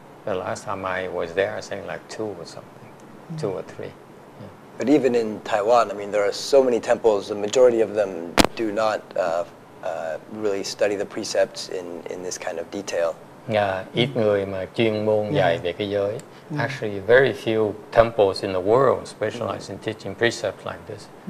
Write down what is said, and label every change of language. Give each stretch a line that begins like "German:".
English: The last time I was there, I think like two or something, two or three. But even in Taiwan, I mean, there are so many temples. The majority of them do not really study the precepts in this kind of detail.
Vietnamese: Ít người mà chuyên môn dạy về cái giới.
English: Actually, very few temples in the world specialize in teaching precepts like this.